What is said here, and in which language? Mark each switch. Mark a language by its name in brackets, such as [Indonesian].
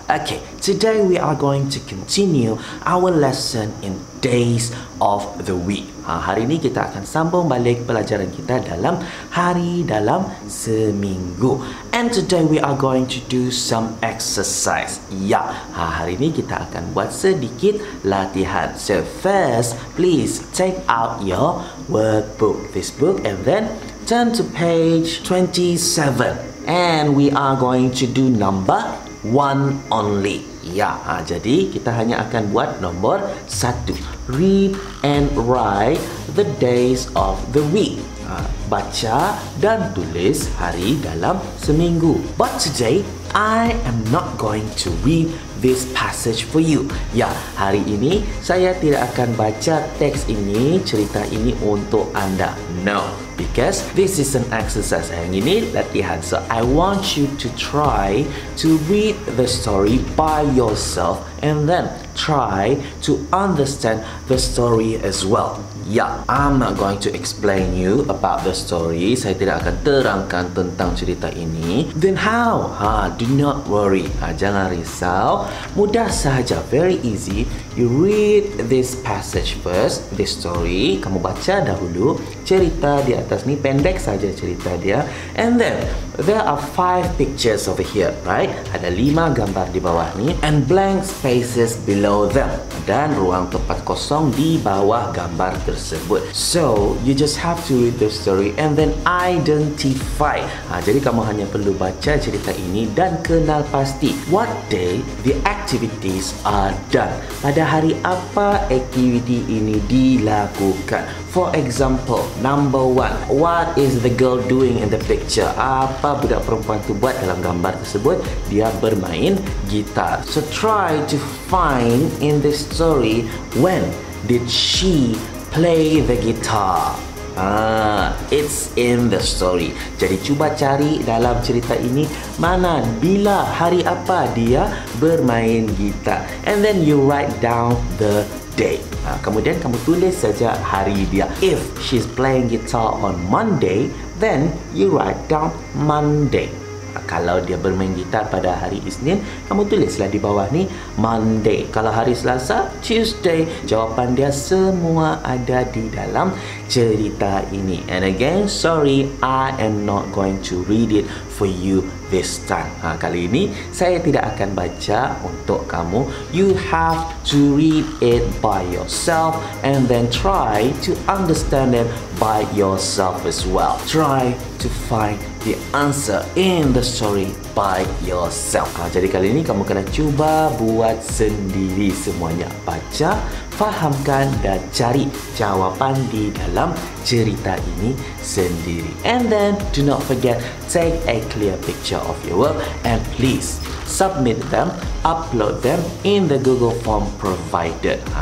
[English] Okay, today we are going to continue our lesson in days of the week. [Malay] Hari ini kita akan sambung balik pelajaran kita dalam hari dalam seminggu. [English] And today we are going to do some exercise. [Malay] Hari ini kita akan buat sedikit latihan. [English] So first, please take out your workbook, this book, and then turn to page 27. And we are going to do number 1 only. [Malay] Jadi kita hanya akan buat nombor 1. [English] Read and write the days of the week. [Malay] Baca dan tulis hari dalam seminggu. [English] But today, I am not going to read this passage for you. [Malay] Hari ini saya tidak akan baca teks ini, cerita ini untuk anda. [English] No, because this is an exercise. [Malay] Yang ini latihan. [English] So I want you to try to read the story by yourself and then try to understand the story as well. I'm not going to explain you about the story. [Malay] Saya tidak akan terangkan tentang cerita ini. [English] Then how? Do not worry. [Malay] Jangan risau. Mudah sahaja. [English] Very easy. You read this passage first, this story. [Malay] Kamu baca dahulu cerita di atas ni. Pendek saja cerita dia. [English] And then, there are 5 pictures over here, right? [Malay] Ada 5 gambar di bawah ni. [English] And blank spaces below them. [Malay] Dan ruang tempat kosong di bawah gambar tersebut. [English] So, you just have to read the story and then identify. [Malay] Jadi, kamu hanya perlu baca cerita ini dan kenal pasti. [English] What day the activities are done? [Malay] Pada hari apa aktiviti ini dilakukan? [English] For example, number 1. What is the girl doing in the picture? [Malay] Apa budak perempuan itu buat dalam gambar tersebut? Dia bermain gitar. [English] So, try to find in the story, when did she play the guitar? It's in the story. [Malay] Jadi cuba cari dalam cerita ini, mana, bila, hari apa dia bermain gitar. [English] And then you write down the day. [Malay] Kemudian kamu tulis saja hari dia. [English] If she's playing guitar on Monday, then you write down Monday. [Malay] Kalau dia bermain gitar pada hari Isnin, kamu tulislah di bawah ni Monday. Kalau hari Selasa, Tuesday. Jawapan dia semua ada di dalam cerita ini. [English] And again, sorry, I am not going to read it for you this time. [Malay] Kali ini, saya tidak akan baca untuk kamu. [English] You have to read it by yourself and then try to understand it by yourself as well. Try to find the answer in the story by yourself. [Malay] Jadi kali ini kamu kena cuba buat sendiri semuanya. Baca, fahamkan dan cari jawapan di dalam cerita ini sendiri. [English] And then, do not forget, take a clear picture of your work and please submit them, upload them in the Google Form provided.